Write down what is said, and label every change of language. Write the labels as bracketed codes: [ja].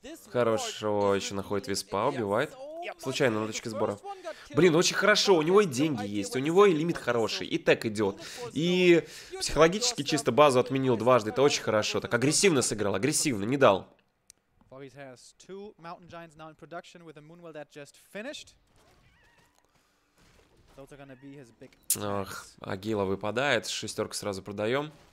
[ru] Хорошо, еще находит виспа, убивает. Случайно на точке сбора. Блин, очень хорошо, у него и деньги есть, у него и лимит хороший, и так идет. И психологически чисто базу отменил дважды, это очень хорошо. Так агрессивно сыграл, агрессивно, не дал. [en] Foggy has two mountain giants now in production with a moonwell that just finished. Those are gonna be his big. [ru] Ох, Агила выпадает, шестерку сразу продаем.